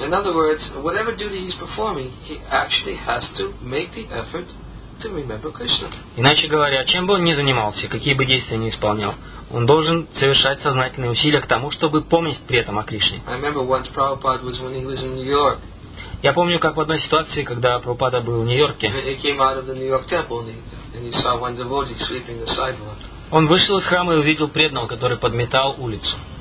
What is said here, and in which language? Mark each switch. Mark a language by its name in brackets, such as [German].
[English] In other words, whatever duty he's performing, he actually has to make the effort to remember Krishna. [Russian] Иначе говоря, чем бы он ни занимался, какие бы действия ни исполнял, он должен совершать сознательные усилия к тому, чтобы помнить при этом о Кришне. [English] I remember once Prabhupada was when he was in New York. [Russian] Я помню, как в одной ситуации, когда Прабхупада был в Нью-Йорке, [English] he came out of the New York temple and he saw one devotee sweeping the sidewalk. [Russian] Он вышел из храма и увидел преданного, который подметал улицу.